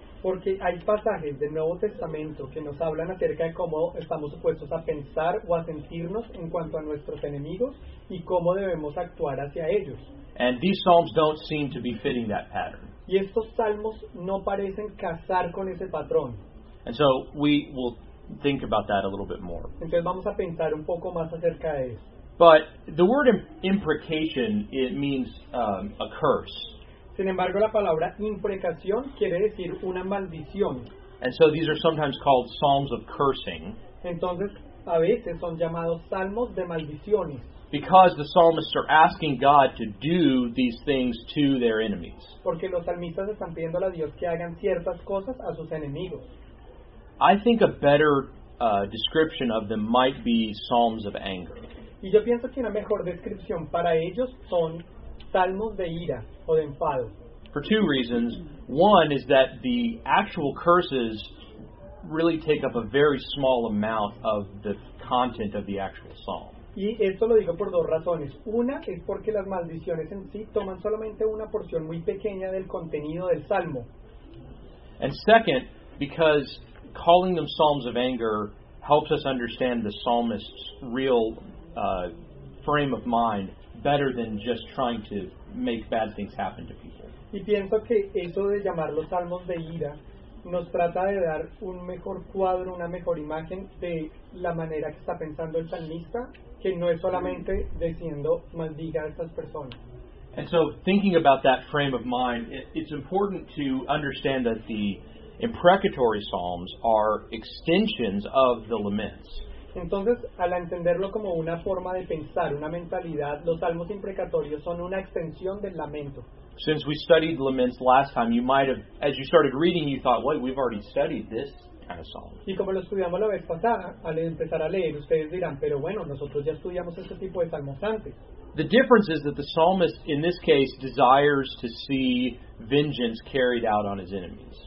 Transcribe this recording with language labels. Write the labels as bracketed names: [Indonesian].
[Spanish] Porque hay pasajes del Nuevo Testamento que nos hablan acerca de cómo estamos supuestos a pensar o a sentirnos en cuanto a nuestros enemigos y cómo debemos actuar hacia ellos. [English] And these psalms don't seem to be fitting that pattern. [Spanish] Y estos salmos no parecen casar con ese patrón. [English] And so we will think about that a little bit more. [Spanish] Entonces vamos a pensar un poco más acerca de eso. [English] But the word imprecation, it means a curse. [Spanish] Sin embargo, la palabra imprecación quiere decir una maldición. [English] And so these are sometimes called psalms of cursing. [Spanish] Entonces, a veces son llamados salmos de maldiciones. [English] Because the psalmists are asking God to do these things to their enemies. [Spanish] Porque los salmistas están pidiéndole a Dios que hagan ciertas cosas a sus enemigos. [English] I think a better description of them might be psalms of anger. [Spanish] Y yo pienso que una mejor descripción para ellos son salmos de ira o de enfado. [English] For two reasons. One is that the actual curses really take up a very small amount of the content of the actual psalm. [Spanish] Y esto lo digo por dos razones. Una es porque las maldiciones en sí toman solamente una porción muy pequeña del contenido del salmo. [English] And second, because calling them psalms of anger helps us understand the psalmist's real frame of mind better than just trying to make bad things happen to people. [Spanish] Y pienso que eso de llamarlos salmos de ira nos trata de dar un mejor cuadro, una mejor imagen de la manera que está pensando el salmista, que no es solamente diciendo maldiga a estas personas. [English] And so thinking about that frame of mind, it's important to understand that the imprecatory psalms are extensions of the laments. [Spanish] Entonces, al entenderlo como una forma de pensar, una mentalidad, los salmos imprecatorios son una extensión del lamento. [English] Since we studied laments last time, you might have, as you started reading, you thought, wait, we've already studied this kind of psalm. [Spanish] Y como lo estudiamos la vez pasada, al empezar a leer, ustedes dirán, pero bueno, nosotros ya estudiamos este tipo de salmos antes. [English] The difference is that the psalmist, in this case, desires to see vengeance carried out on his enemies.